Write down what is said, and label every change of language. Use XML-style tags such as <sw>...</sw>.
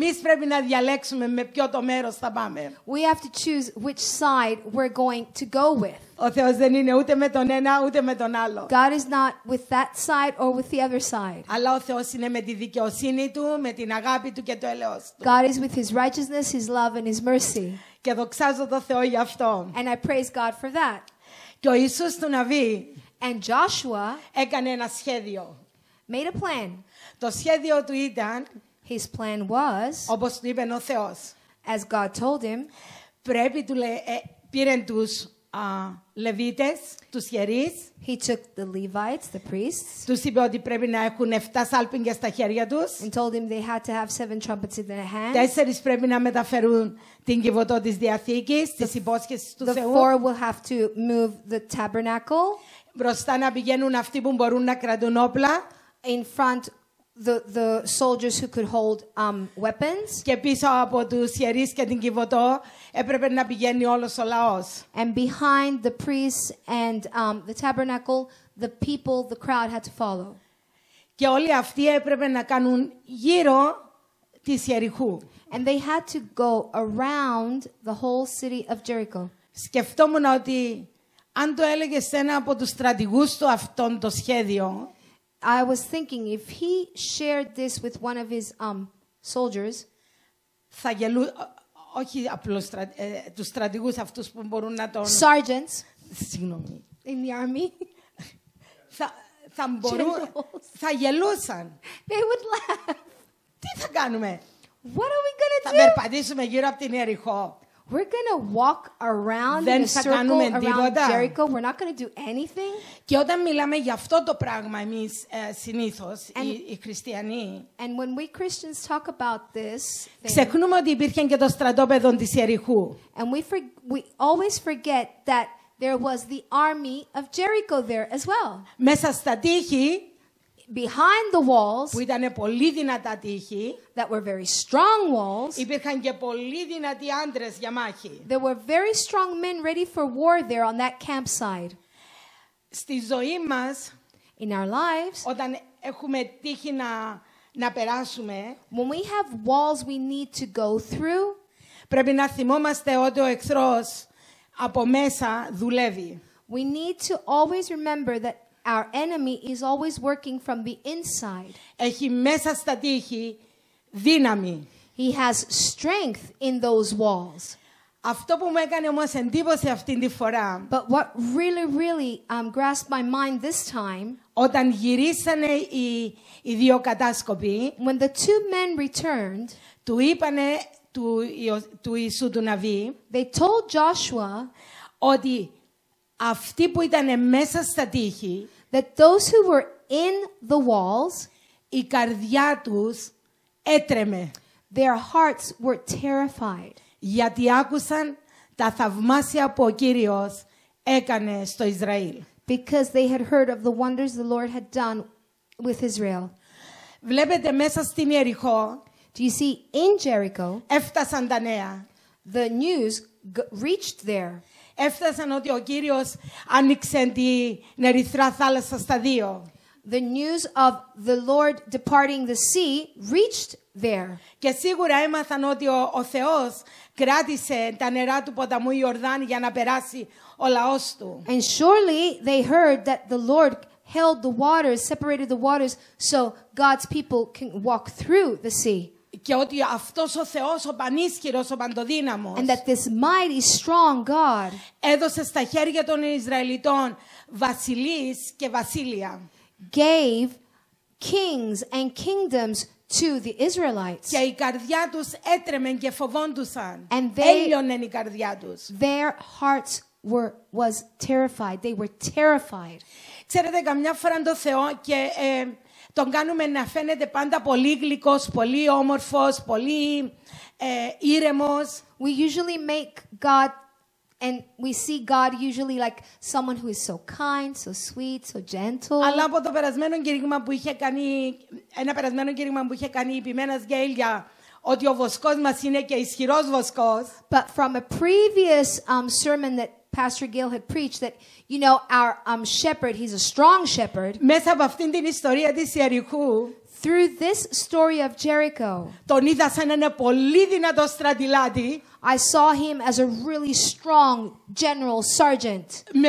<el>Εμείς πρέπει να διαλέξουμε με ποιο το μέρος θα πάμε.</el> <en>We have to choose which side we're going to go with.</en> <el>Ο Θεός δεν είναι ούτε με τον ένα ούτε με τον άλλο.</el> <en>God is not with that side or with the other side.</en> <el>Αλλά ο Θεός είναι με τη δικαιοσύνη του, με την αγάπη του και το έλεος του.</el> <en>God is with his righteousness, his love and his mercy.</en> <el>Και δοξάζω τον Θεό γι' αυτό.</el> <en>And I praise God for that.</en> <el>Και ο Ιησούς του Ναβί.</el> <en>And Joshua</en> <el>έκανε ένα σχέδιο.</el> <en>Made a plan.</en> <el>Το σχέδιο του ήταν,</el> <en>his plan was,</en> <el>όπως του είπε ο Θεός,</el> <en>as God told him,</en> <el>πρέπει του πήραν τους Λεβίτες, τους ιερείς.</el> <en>He took the Levites, the priests.</en> <el>Τους είπε ότι πρέπει να έχουν 7 σάλπιγγες στα χέρια τους.</el> <en>And told him they had to have 7 trumpets in their hands.</en> <el>4 πρέπει να μεταφέρουν την κιβωτό της Διαθήκης, τις υπόσχεσεις του Θεού.</el> <en>The 4 will have to move the tabernacle.</en> <el>Μπροστά να πηγαίνουν αυτοί που μπορούν να κρατούν όπλα.</el> <en>In front, the soldiers who could hold weapons.</en> <el>Και πίσω από τους ιερείς και την κιβωτό έπρεπε να πηγαίνει όλος ο λαός.</el> <en>And behind the priests and the tabernacle, the people, the crowd had to follow.</en> <el>Και όλοι αυτοί έπρεπε να κάνουν γύρω της Ιεριχού.</el> <en>And they had to go around the whole city of Jericho.</en> <el>Σκεφτόμουν ότι αν το έλεγε σε ένα από τους στρατηγούς του αυτόν το σχέδιο.</el> <en>I was thinking if he shared this with one of his soldiers.</en> <el>Θα γελού, όχι απλώς τους στρατηγούς αυτούς που μπορούν να τον.</el> <en>Sergeants.</en> <el>Συγγνώμη.</el> <en>In the army.</en> <el>θα μπορούν.</el> <en>Generals.</en> <el>Θα γελούσαν.</el> <en>They would laugh.</en> <el>Τι θα κάνουμε.</el> <en>What are we gonna</en> <el>θα περπατήσουμε γύρω από την Ιεριχώ.</el> <en>We're gonna walk around in a circle around</en> <el>τίποτα.</el> <en>Jericho. We're not gonna do anything.</en> <el>Και όταν μιλάμε για αυτό το πράγμα εμείς συνήθως οι χριστιανοί.</el> <en>And when we Christians talk about this,</en> <el>ξεχνούμε ότι υπήρχε και το στρατόπεδο της Ιεριχού.</el> <en>And we always forget that there was the army of Jericho there as well.</en> <el>Μέσα στα τείχη.</el> <en>Behind the walls,</en> <el>που ήταν πολύ δυνατά τείχη,</el> <en>that were very strong walls,</en> <el>υπήρχαν και πολύ δυνατοί άντρες για μάχη.</el> <en>There were very strong men ready for war there on that campsite.</en> <el>Στη ζωή μας,</el> <en>in our lives,</en> <el>όταν έχουμε τείχη να περάσουμε,</el> <en>when we have walls we need to go through,</en> <el>πρέπει να θυμόμαστε ότι ο εχθρός από μέσα δουλεύει.</el> <en>We need to always remember that our enemy is always working from the inside.</en> <el>Έχει μέσα στα τείχη δύναμη.</el> <en>He has strength in those walls.</en> <el>Αυτό που μου έκανε όμως εντύπωση αυτήν τη φορά.</el> <en>But what really grasped my mind this time.</en> <el>Όταν γυρίσανε οι δύο κατάσκοποι.</el> <en>When the two men returned.</en> <el>Του είπανε του Ιησού του Ναβί.</el> <en>They told Joshua.</en> <el>Ότι αυτοί που ήταν μέσα στα τείχη.</el> <en>That those who were in the walls.</en> <el>Η καρδιά τους έτρεμε.</el> <en>Their hearts were terrified.</en> <el>Γιατί άκουσαν τα θαυμάσια που ο Κύριος έκανε στο Ισραήλ.</el> <en>Because they had heard of the wonders the Lord had done with Israel.</en> <el>Βλέπετε μέσα στην Ιεριχώ.</el> <en>Do you see in Jericho?</en> <el>Έφτασαν τα νέα.</el> <en>The news reached there.</en> <el>Έφτασαν ότι ο Κύριος άνοιξε την Ερυθρά Θάλασσα στα δύο.</el> <en>The news of the Lord departing the sea reached there.</en> <el>Και σίγουρα έμαθαν ότι ο Θεός κράτησε τα νερά του ποταμού Ιορδάνη για να περάσει ο λαός του.</el> <en>And surely they heard that the Lord held the waters, separated the waters, so God's people can walk through the sea.</en> <el>Και ότι αυτός ο Θεός, ο πανίσχυρος, ο παντοδύναμος,</el> <en>and that this mighty, strong God</en> <el>έδωσε στα χέρια των Ισραηλιτών βασιλείς και βασίλεια.</el> <en>Gave kings and kingdoms to the Israelites.</en> <el>Και η καρδιά τους έτρεμεν και φοβόντουσαν. And έλειωνεν η καρδιά τους.</el> <en>Their hearts was terrified. They were terrified.</en> <el>Ξέρετε, καμιά φορά τον Θεό και τον κάνουμε να φαίνεται πάντα πολύ γλυκός, πολύ όμορφος, πολύ ήρεμος.</el> <en>We usually make God and we see God usually like someone who is so kind, so sweet, so gentle.</en> <el>Αλλά από το περασμένο κήρυγμα που είχε κάνει, ένα περασμένο κήρυγμα που είχε κάνει η Ποιμένας Γκέιλ για ότι ο βοσκός μας είναι και ισχυρός βοσκός.</el> <en>But from a previous sermon that Pastor Gil had preached that, you know, our shepherd, he's a strong shepherd.</en> <el>Μέσα από αυτήν την ιστορία της Ιεριχού.</el> <en>Through this story of Jericho.</en> <el>Τον είδα σαν ένα πολύ δυνατό στρατιλάτη.</el> <en>I saw him as a really strong general sergeant.</en>